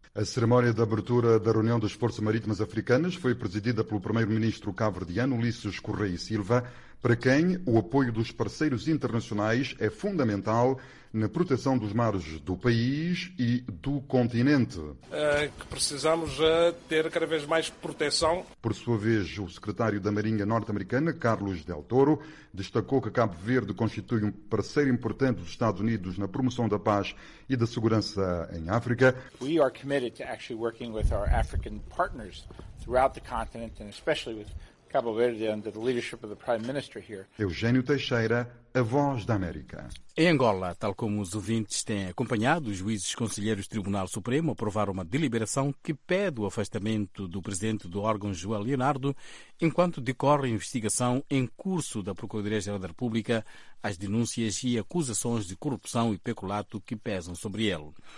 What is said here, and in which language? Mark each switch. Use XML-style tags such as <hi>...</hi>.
<pt>A cerimónia de abertura da reunião das Forças Marítimas Africanas foi presidida pelo primeiro-ministro cabo-verdiano, Ulisses Correia Silva, para quem o apoio dos parceiros internacionais é fundamental na proteção dos mares do país e do continente. Que precisamos ter cada vez mais proteção. Por sua vez, o secretário da Marinha norte-americana, Carlos Del Toro, destacou que Cabo Verde constitui um parceiro importante dos Estados Unidos na promoção da paz e da segurança em África.</pt> <en>We are committed to actually working with our African partners throughout the continent and especially with Cabo Verde under the leadership of the Prime Minister here.</en> <pt>Eugênio Teixeira, a Voz da América. Em Angola, tal como os ouvintes têm acompanhado, os juízes conselheiros do Tribunal Supremo aprovaram uma deliberação que pede o afastamento do presidente do órgão, João Leonardo, enquanto decorre a investigação em curso da Procuradoria-Geral da República às denúncias e acusações de corrupção e peculato que pesam sobre ele.</pt>